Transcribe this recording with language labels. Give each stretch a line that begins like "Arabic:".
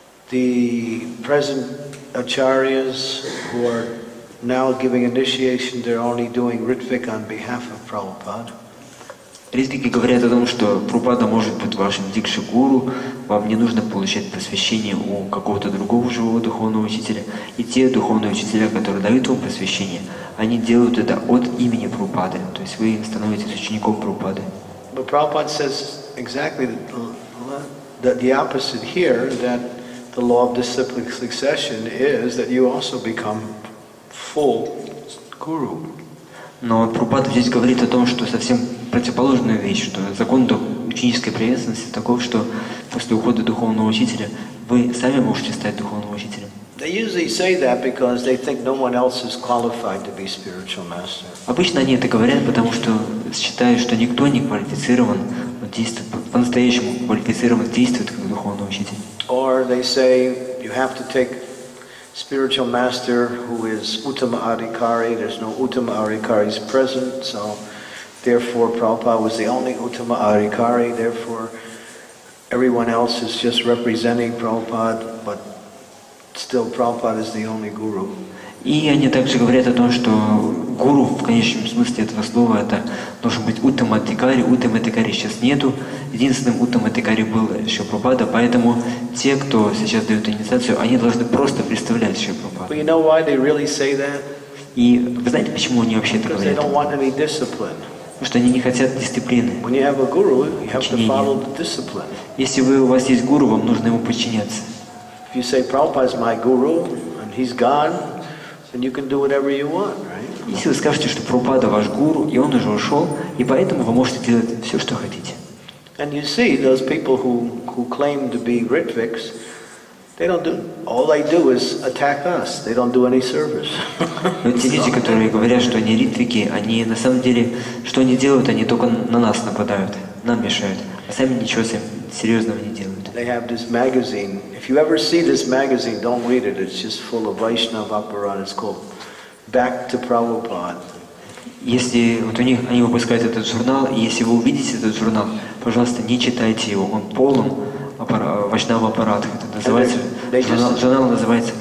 English: The present acharyas who are now giving initiation, they're only doing риттик on behalf of Prabhupada.
Russian: Риттики говорят о том, что Прабхупада может быть вашим дикшагуру, вам не нужно получать посвящение у какого-то другого живого духовного учителя. И те духовные учителя, которые дают вам посвящение, они делают это от имени Прабхупады. То есть вы становитесь учеником Прабхупады.
English: But Prabhupada says exactly the opposite here, that the law of disciplic succession is that you also become full guru.
Russian: Но Прабхупада здесь говорит о том, что совсем противоположная вещь, что закон ученической преемственности таков, что после ухода духовного учителя вы сами можете стать духовным учителем.
English: They usually say that because they think no one else is qualified to be spiritual master.
Russian: Обычно они это говорят, потому что считают, что никто не квалифицирован действовать по-настоящему квалифицирован действовать как духовный учитель.
English: Or they say you have to take spiritual master who is uttama adhikari. There's no uttama adhikari present, so therefore, Prabhupada was the only uttama adhikari. Therefore, everyone else is just representing Prabhupada, but still, Prabhupada is the only guru.
Russian: И они также говорят о том, что гуру в конечном смысле этого слова это должен быть уттама адхикари. Уттама адхикари сейчас нету. Единственным уттама адхикари был еще Прабхупада, поэтому те, кто сейчас дают инициацию, они должны просто представлять еще Прабхупада.
English: But you know why they really say that?
Russian: И вы знаете, почему они вообще так говорят?
English: Because they don't want any discipline.
Russian: Потому что они не хотят дисциплины.
English: When you have a guru, you have to follow the discipline.
Russian: Если вы, у вас есть гуру, вам нужно ему подчиняться.
English: If you say Prabhupada is my guru and he's God, then you can do whatever you want, right?
Russian: Если вы скажете, что Прабхупада ваш гуру, и он уже ушел, и поэтому вы можете делать все, что хотите.
English: And you see, those people who claim to be Ritviks, they don't do, all they do is attack us. They don't do any service.
Russian: Но те люди, которые говорят, что они ритвики, они на самом деле, что они делают, они только на нас нападают, нам мешают, а сами ничего серьезного не делают.
English: They have this magazine. If you ever see this magazine, don't read it. It's just full of Vaishnava apparatus. It's called Back to Prabhupada.
Russian: Если вот у них они выпускают этот журнал, и если вы увидите этот журнал, пожалуйста, не читайте его. Он полон Вайшнава аппарата. Это называется журнал называется.